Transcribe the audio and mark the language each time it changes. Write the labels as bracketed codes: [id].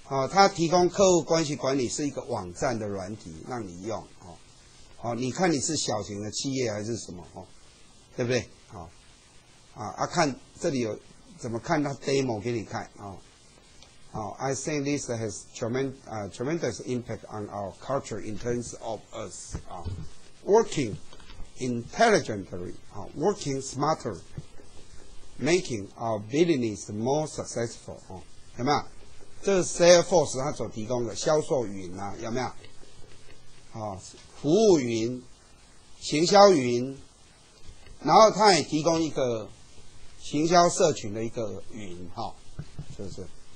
[zh] 他提供客户关系管理是一个网站的软体让你用、哦哦、你看你是小型的企业还是什么、哦、对不对、哦、看这里有怎么看到 demo 给你看啊。 [en] 好 ，I think this has tremendous impact on our culture in terms of us working intelligently, working smarter, making our business more successful. [zh] 有没有？这是 Salesforce 它所提供的销售云啊，有没有？服务云、行销云，然后它也提供一个行销社群的一个云，是不是？